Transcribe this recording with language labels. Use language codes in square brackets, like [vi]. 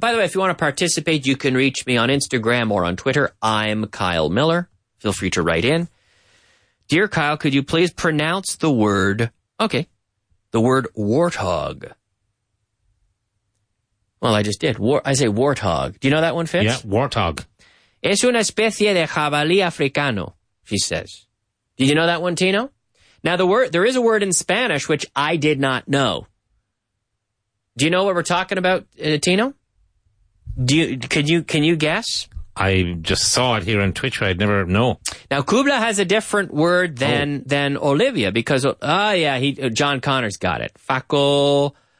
[en] By the way, if you want to participate, you can reach me on Instagram or on Twitter. I'm Kyle Miller. Feel free to write in. Dear Kyle, could you please pronounce the word? Okay. The word warthog. Well, I just did. I say warthog. Do you know that one, Fitz? Yeah, warthog. [es] Es una especie de jabalí africano, [en] she says. Did you know that one, Tino? Now, there is a word in Spanish which I did not know. Do you know what we're talking about, Tino? Can you guess? I just saw it here on Twitch. I'd never know. Now, Kubla has a different word than Olivia because, John Connor's got it. Facoquero.